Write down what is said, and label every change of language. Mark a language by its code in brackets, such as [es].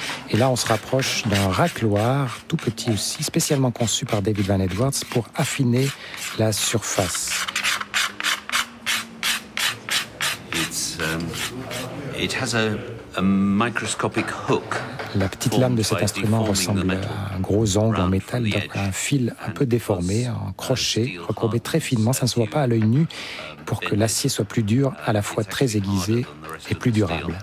[fr] Et là, on se rapproche d'un racloir, tout petit aussi, spécialement conçu par David Van Edwards pour affiner la surface. [en] It has a microscopic hook. [fr] La petite lame de cet instrument ressemble à un gros ongle en métal, donc un fil un peu déformé, un crochet, recourbé très finement, ça ne se voit pas à l'œil nu, pour que l'acier soit plus dur, à la fois très aiguisé et plus durable.